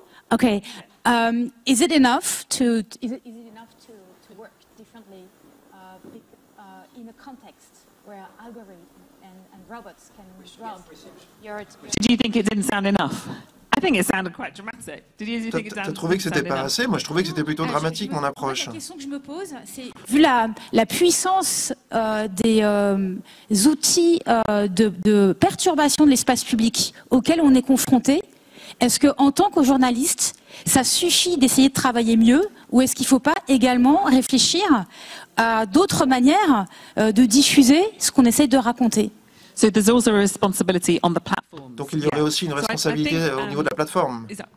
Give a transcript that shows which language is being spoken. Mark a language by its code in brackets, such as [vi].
[en] Okay. Is it enough to work differently in a context where algorithms and robots can drug your experience? Did you think it didn't sound enough? I think it sounded quite dramatic. Did you think it sounded? [fr] T'as trouvé que c'était pas assez? Moi, je trouvais que c'était plutôt dramatique, mon approche. La question que je me pose, c'est vu la puissance des outils de perturbation de l'espace public auxquels on est confronté, est-ce que en tant que journaliste, ça suffit d'essayer de travailler mieux, ou est-ce qu'il faut pas également réfléchir à d'autres manières de diffuser ce qu'on essaie de raconter? [en] So there's also a responsibility on the platform. [fr] Donc il y aurait aussi une responsabilité au niveau de la plateforme.